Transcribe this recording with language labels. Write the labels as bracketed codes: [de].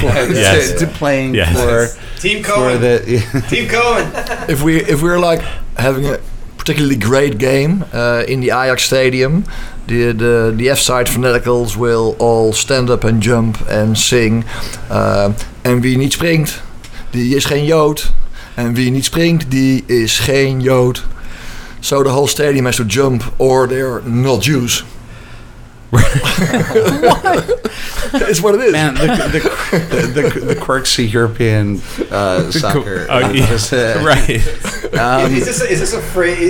[en] For Team Cohen. Team Cohen. If we're like having a particularly great game in the Ajax Stadium, the F-side fanaticals will all stand up and jump and sing. [nl] En wie niet springt, die is geen Jood. En wie niet springt, die is geen Jood. [en] So the whole stadium has to jump, or they're not Jews. What? It's what it is. Man, the quirksy European soccer. Right. Is this a phrase?